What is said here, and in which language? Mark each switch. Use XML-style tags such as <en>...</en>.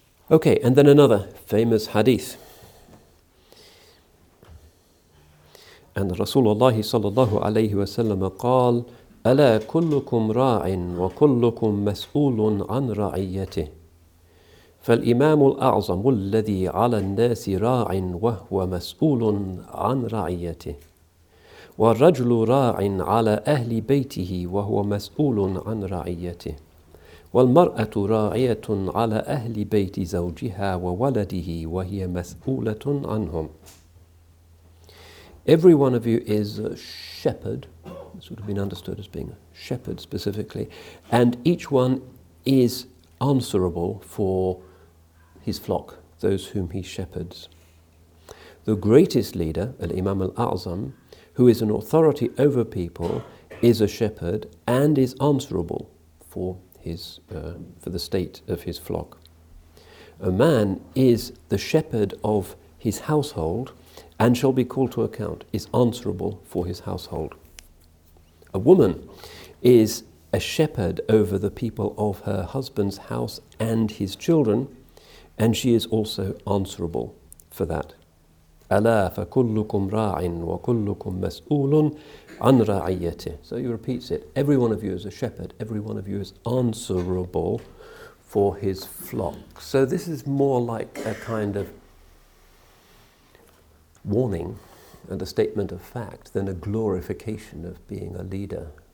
<en>Okay, and then another famous hadith.</en> <ar>And Rasulullah sallallahu alayhi wa sallam qal, ألا كلكم راع وكلكم مسؤول عن رعيته فالإمام الأعظم الذي على الناس راع وهو مسؤول عن رعيته والرجل راع على أهل بيته وهو مسؤول عن رعيته والمرأة راعية على أهل بيت زوجها وولده وهي مسؤولة عنهم.</ar> <en>Every one of you is a shepherd, sort of been understood as being a shepherd specifically, and each one is answerable for his flock, those whom he shepherds. The greatest leader, al-Imam al-A'zam, who is an authority over people, is a shepherd and is answerable for his for the state of his flock. A man is the shepherd of his household and shall be called to account, is answerable for his household. A woman is a shepherd over the people of her husband's house and his children, and she is also answerable for that.</en> <ar>Allah فَكُلُّكُمْ رَاعٍ وَكُلُّكُمْ مَسْؤُولٌ عَنْ رَعِيَّتِهِ.</ar> <en>So he repeats it. Every one of you is a shepherd. Every one of you is answerable for his flock. So this is more like a kind of warning and a statement of fact than a glorification of being a leader.</en>